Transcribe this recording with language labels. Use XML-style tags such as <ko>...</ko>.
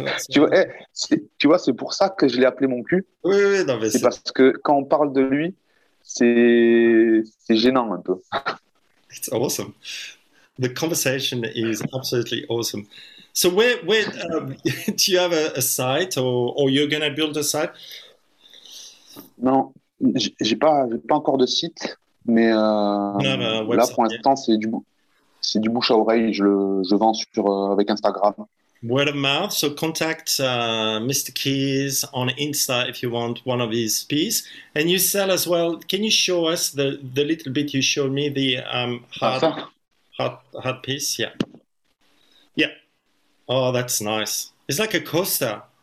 <fr>tu vois, c'est pour ça que je l'ai appelé Mon Cul. Oui, oui, non, mais c'est parce que quand on parle de lui, c'est gênant un peu.</fr> <en>It's awesome. The conversation is absolutely awesome. So where do you have a site or you're going to build a site?</en> <fr>Non, j'ai pas encore de site, mais</fr> <en>website,</en> <fr>là pour l'instant yeah, c'est du bouche à oreille, je vends sur avec Instagram.</fr> <en>Word of mouth, so contact Mr. Keys on Insta if you want one of his pieces. And you sell as well. Can you show us the little bit you showed me, the hard piece? Yeah. Yeah. Oh, that's nice. It's like a coaster.</en>